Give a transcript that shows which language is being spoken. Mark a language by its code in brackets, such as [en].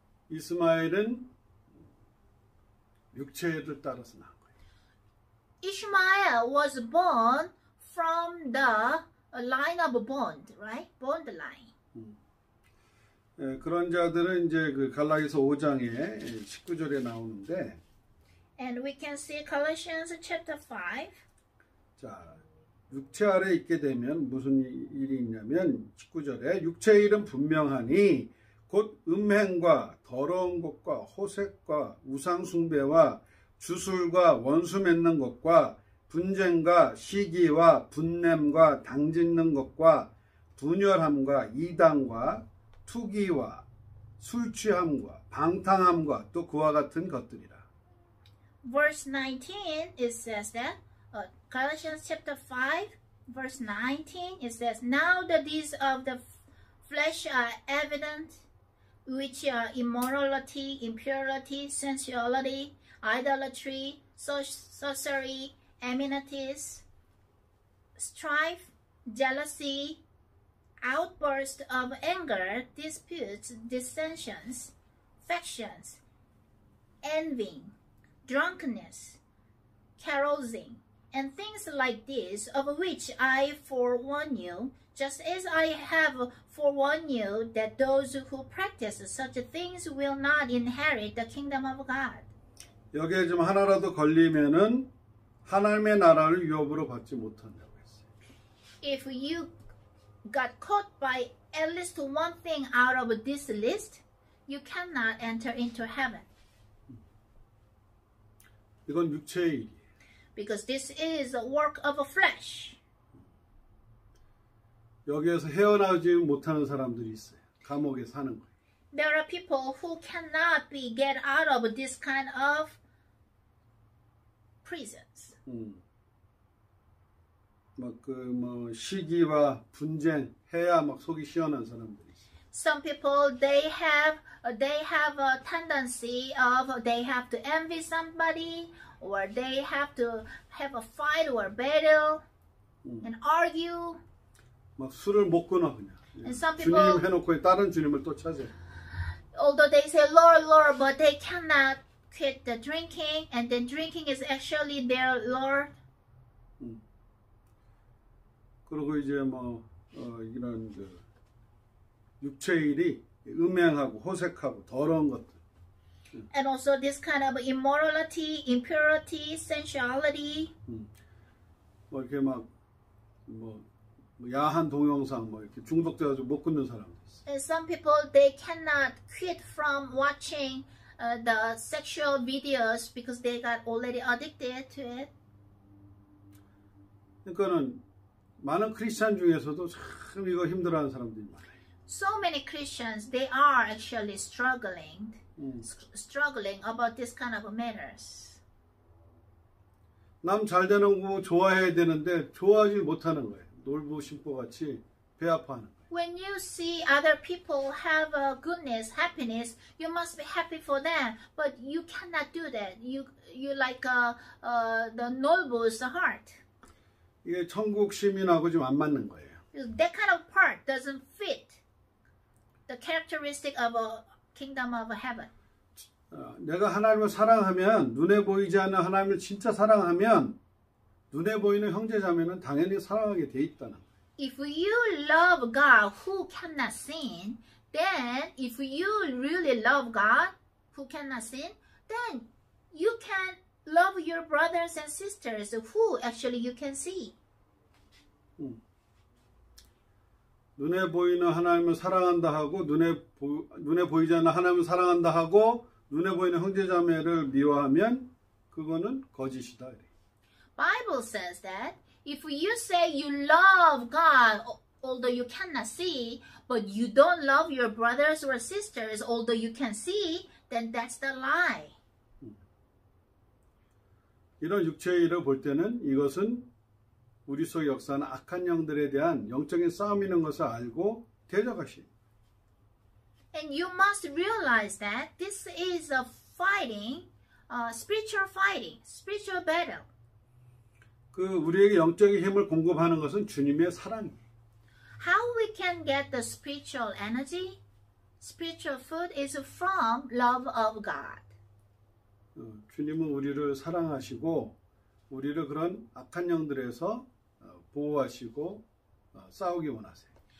[ko] 이스마엘은 육체를 따라서 나. [en] Ishmael was born from the line of bond, right? Bond line. [ko] 그런 자들은 이제 그 갈라디아서 5장에 19절에 나오는데. [en] And we can see Colossians chapter 5. [ko] 자, 육체 아래 있게 되면 무슨 일이 있냐면 19절에 육체 일은 분명하니 곧 음행과 더러운 것과 호색과 우상 숭배와 주술과 원수 맺는 것과 분쟁과 시기와 분냄과 당짓는 것과 분열함과 이단과 투기와 술 취함과 방탕함과 또 그와 같은 것들이라. [en] Verse 19 it says that Galatians chapter 5 verse 19 it says now the deeds of the flesh are evident which are immorality, impurity, sensuality, idolatry, sorcery, enmities, strife, jealousy, outburst of anger, disputes, dissensions, factions, envy, drunkenness, carousing, and things like these, of which I forewarn you, just as I have forewarned you that those who practice such things will not inherit the kingdom of God. [ko] 여기에 좀 하나라도 걸리면은 하나님의 나라를 유업으로 받지 못한다고 했어요. [en] If you got caught by at least one thing out of this list, you cannot enter into heaven. [ko] 이건 육체의 일이에요. [en] Because this is a work of a flesh. [ko] 여기에서 헤어나오지 못하는 사람들이 있어요. 감옥에 사는 거예요. [en] There are people who cannot be get out of this kind of prisons. [ko] 막 그 뭐 시기와 분쟁 해야 막 속이 시원한 사람들이 있어요. [en] Some people they have a tendency of they have to envy somebody or they have to have a fight or battle and argue. [ko] 막 술을 못 끊어 그냥. [en] And some people [ko] 주님 해놓고 다른 주님을 또 찾아요. [en] although they say Lord, Lord, but they cannot quit the drinking, and then drinking is actually their Lord. [ko] 그리고 이제 뭐 이런 그 육체의 일이 음행하고 호색하고 더러운 것들. [en] And also this kind of immorality, impurity, sensuality. [ko] 뭐 이렇게 막 뭐 야한 동영상 뭐 이렇게 중독돼서 못 끊는 사람도 있어. [en] And some people they cannot quit from watching the sexual videos because they got already addicted to it. [ko] 그러니까는 많은 크리스천 중에서도 참 이거 힘들어하는 사람들이 많아요. [en] So many Christians they are actually struggling. Struggling about this kind of matters. [ko] 남 잘 되는 거 좋아해야 되는데 좋아하지 못하는 거예요. 놀부 심보 같이 배 아파하는 거예요. [en] When you see other people have a goodness, happiness, you must be happy for them, but you cannot do that. You like the nobles heart. [ko] 이게 천국 시민하고 좀 안 맞는 거예요. [en] That kind of part doesn't fit the characteristic of a kingdom of heaven. [ko] 내가 하나님을 사랑하면 눈에 보이지 않는 하나님을 진짜 사랑하면 눈에 보이는 형제 자매는 당연히 사랑하게 돼 있다는 거예요. [en] If you love God who cannot sin, then if you really love God who cannot sin, then you can love your brothers and sisters who actually you can see. [ko] 눈에 보이는 하나님을 사랑한다 하고 눈에 보이지 않는 하나님을 사랑한다 하고 눈에 보이는 형제자매를 미워하면 그거는 거짓이다. [en] Bible says that if you say you love God although you cannot see, but you don't love your brothers or sisters although you can see, then that's the lie. [ko] 이런 육체의 일을 볼 때는 이것은 우리 속 역사는 악한 영들에 대한 영적인 싸움이라는 것을 알고 대적하신. [en] And you must realize that this is a fighting, spiritual fighting, spiritual battle. [ko] 그 우리에게 영적인 힘을 공급하는 것은 주님의 사랑이. [en] How we can get the spiritual energy, spiritual food is from love of God. [ko] 주님은 우리를 사랑하시고 우리를 그런 악한 영들에서 보호하시고 싸우기 원하세요.